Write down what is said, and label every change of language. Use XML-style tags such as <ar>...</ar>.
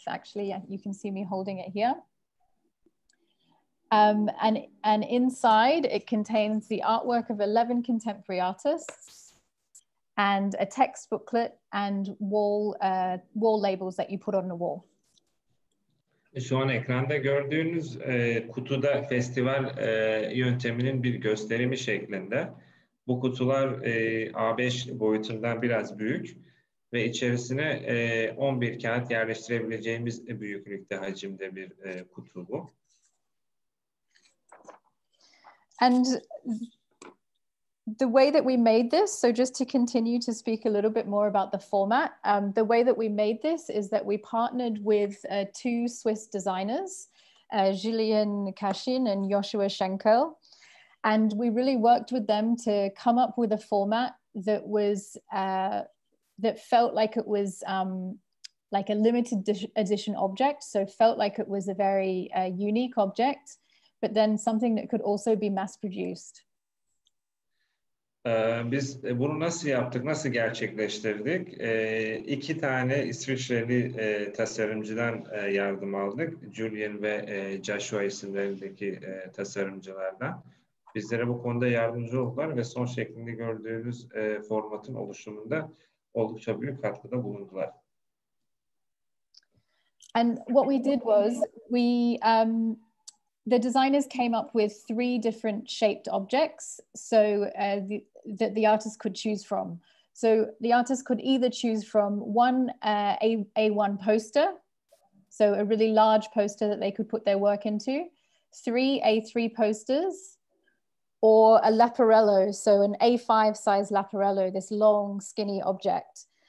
<en>Actually, you can see me holding it here. And inside it contains the artwork of 11 contemporary artists and a text booklet and wall labels that you put on the wall.</en> <tr>Şu an ekranda gördüğünüz kutuda festival yönteminin bir gösterimi şeklinde. Bu kutular A5 boyutundan biraz büyük ve içerisine 11 kağıt yerleştirebileceğimiz büyüklükte hacimde bir kutu bu.</tr> <en>And the way that we made this, so just to continue to speak a little bit more about the format, the way that we made this is that we partnered with two Swiss designers, Julien Cachin and Joshua Schenkel, and we really worked with them to come up with a format that was that felt like it was like a limited edition object, so felt like it was a very unique object, but then something that could also be mass produced.</en> <tr>Biz bunu nasıl yaptık, nasıl gerçekleştirdik? İki tane İsviçreli tasarımcıdan yardım aldık. Julian ve Joshua isimlerindeki tasarımcılardan. Bizlere bu konuda yardımcı oldular ve son şeklinde gördüğünüz formatın oluşumunda oldukça büyük katkıda bulundular.</tr> <en>And what we did was we the designers came up with three different shaped objects so that the artist could choose from. So the artist could either choose from one A1 poster, so a really large poster that they could put their work into, three A3 posters, or a Leporello, so an A5 size Leporello, this long skinny object.</en>